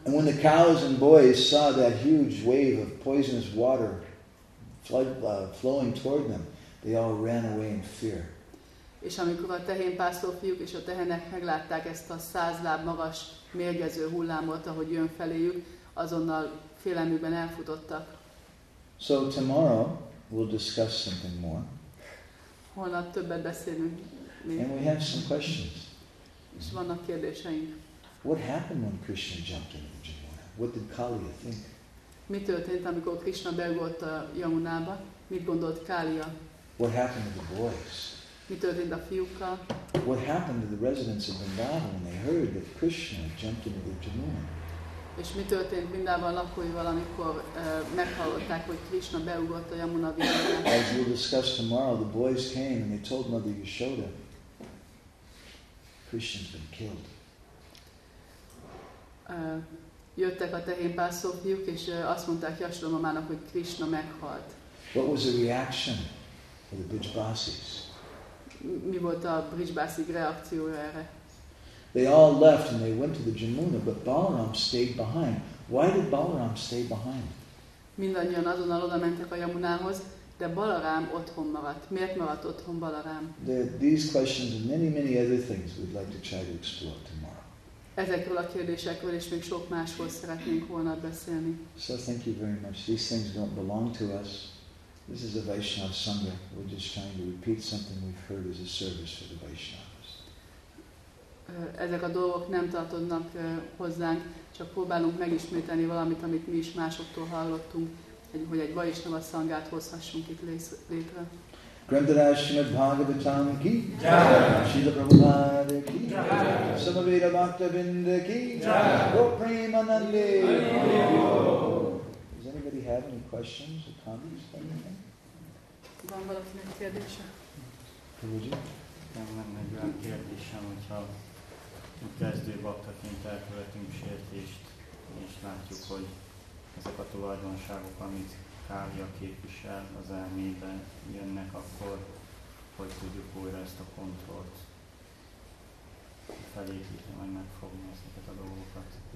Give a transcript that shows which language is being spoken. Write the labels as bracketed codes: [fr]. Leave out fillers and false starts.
[en] And when the cows and boys saw that huge wave of poisonous water flowing toward them, they all ran away in fear. [hu] És amikor a tehénpásztor fiúk és a tehenek meglátták ezt a 100 láb magas mérgező hullámot, ahogy jön feléjük, azonnal félelmükben elfutottak. [en] So tomorrow we'll discuss something more. [hu] Holnap többet beszélünk. [en] And we have some questions. [hu] És vannak kérdéseink. [en] What happened when Krishna jumped into Jamuna? What did Kaliya think? [hu] Mi történt, amikor Krishna beugrott a Jamunába? Mit gondolt Kaliya? [en] What happened to the boys? [hu] Mi történt a fiúkkal? [en] What happened to the residents of Vrindavan when they heard that Krishna jumped into the Jamuna? [hu] És mi történt Vrindavan lakóival, amikor meghallották, hogy Krishna beugrott a Jamuna vízébe? [en] As we'll discuss tomorrow, the boys came and they told Mother Yashoda, Krishna's been killed. [hu] Jöttek a tehénpásztor fiúk, és azt mondták Yashoda mamának, hogy Krishna meghalt. [en] What was the reaction of the Brijbasis? [hu] Mi volt a Brijbasik reakciója erre? [en] They all left and they went to the Jamuna, but Balaram stayed behind. Why did Balaram stay behind? [hu] Mindannyian azonnal oda mentek a Jamunához, de Balaram otthon maradt. Miért maradt otthon Balaram? [en] These questions and many, many other things we'd like to try to explore tomorrow. [hu] Ezekről a kérdésekről és még sok másról szeretnénk holnap beszélni. [en] So thank you very much. These things don't belong to us. This is a Vaishnava Sangha. We're just trying to repeat something we've heard as a service for the Vaishnavas. [hu] Ezek a dolgok nem tartoznak hozzánk, csak próbálunk megismételni valamit, amit mi is másoktól hallottunk, hogy egy Vaishnava Sanghát hozhassunk itt létre. Grandadashima Bhagavatam ki, Srila Prabhupada ki, Samaveda Bhaktavinda ki, Gopremanande. [en] Does anybody have any questions or comments? [hu] Van valakinek kérdése? Nem lenne egy olyan kérdésem, hogyha kezdő baktaként elkövetünk sértést, és látjuk, hogy ezek a tulajdonságok, amit Kália képvisel az elmében, jönnek akkor, hogy tudjuk újra ezt a kontrollt felépíteni, majd megfogni ezeket a dolgokat.